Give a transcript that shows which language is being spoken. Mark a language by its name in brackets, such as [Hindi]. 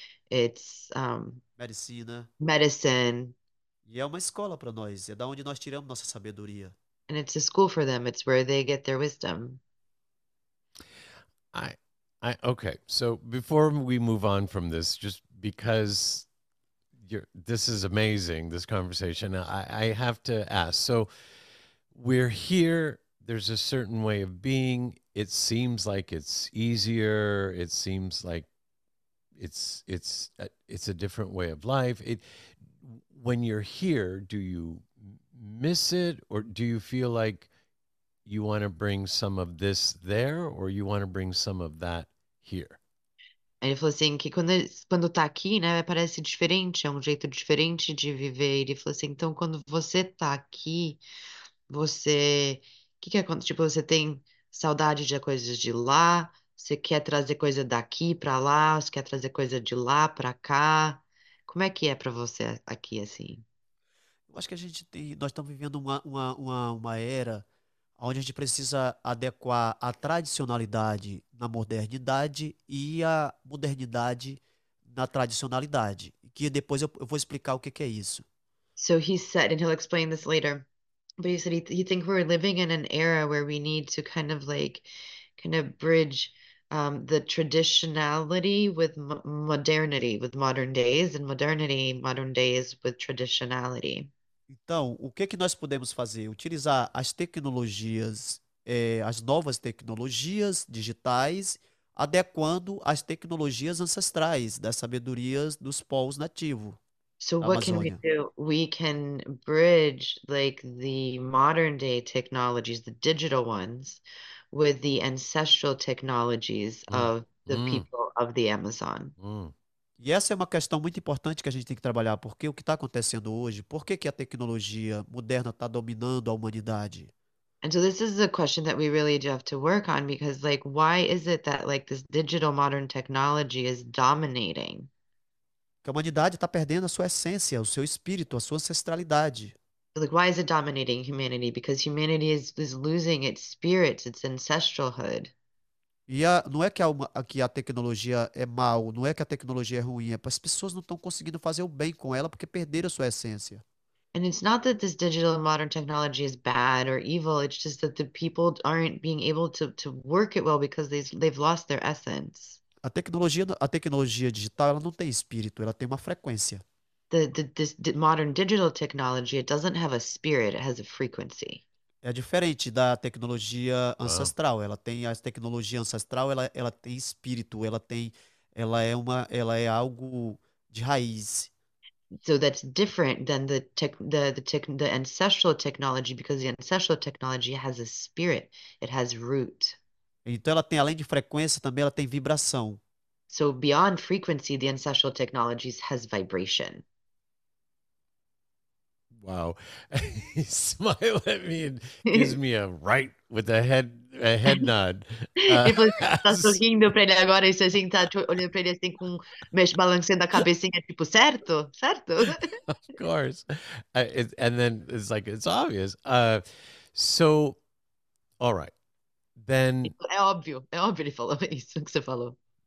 [English] It's [Portuguese] Medicina. [English] medicine. [Portuguese] E é uma escola para nós, é da onde nós tiramos nossa sabedoria. [English] And it's a school for them. It's where they get their wisdom. I okay. So before we move on from this, just because this is amazing, this conversation, I have to ask. So we're here, there's a certain way of being. It seems like it's easier, it seems like it's a different way of life. It when you're here, do you miss it, or do you feel like you want to bring some of this there, or you want to bring some of that here? [Portuguese] Ele falou assim, que quando tá aqui, né, parece diferente, é um jeito diferente de viver. Ele falou assim, então quando você tá aqui, você, que é quando, tipo, você tem saudade de coisas de lá, você quer trazer coisa daqui para lá, você quer trazer coisa de lá para cá. Como é que é para você aqui assim? Eu acho que nós estamos vivendo uma era onde a gente precisa adequar a tradicionalidade na modernidade e a modernidade na tradicionalidade, que depois eu vou explicar o que é isso. [English] So he said, and he'll explain this later, but he said he think we're living in an era where we need to kind of bridge the traditionality with modernity, with modern days, and modernity, modern days with traditionality. [Portuguese] Então, o que que nós podemos fazer? Utilizar as tecnologias, as novas tecnologias digitais, adequando as tecnologias ancestrais das sabedorias dos povos nativos [English] So [Portuguese] da [English] what can we [Portuguese] Amazônia. [English] do? We can bridge like the modern day technologies, the digital ones, with the ancestral technologies of the people of the Amazon. [Portuguese] E essa é uma questão muito importante que a gente tem que trabalhar, porque o que está acontecendo hoje, por que que a tecnologia moderna está dominando a humanidade? [English] And so this is a question that we really do have to work on because, like, why is it that, like, this digital modern technology is dominating? [Portuguese] Que a humanidade está perdendo a sua essência, o seu espírito, a sua ancestralidade. [English] Like, why is it dominating humanity? Because humanity is losing its spirit, its ancestralhood. [Portuguese] E a, não é que a tecnologia é mau, não é que a tecnologia é ruim, é que as pessoas não estão conseguindo fazer o bem com ela porque perderam a sua essência. [English] And it's not that this digital modern technology is bad or evil, it's just that the people aren't being able to work it well because they've lost their essence. [Portuguese] A tecnologia digital, ela não tem espírito, ela tem uma frequência. [English] The modern digital technology, it doesn't have a spirit, it has a frequency. [Portuguese] É diferente da tecnologia [English] Wow. [Portuguese] ancestral. Ela tem a tecnologia ancestral, ela tem espírito, ela é algo de raiz. [English] So that's different than the ancestral technology because the ancestral technology has a spirit, it has root. [Portuguese] Então ela tem, além de frequência, também ela tem vibração. [English] So beyond frequency, the ancestral technologies has vibration. Wow. He smiled at me and gives me a right with a head nod. [Portuguese] Ele falou, tá sorrindo pra ele agora, isso assim, tá olhando pra ele assim com mexe balançando a cabecinha, tipo, certo? Certo? [English] Of course. And then it's like, it's obvious. So, all right. Then, [Portuguese] É óbvio, ele falou isso que você falou.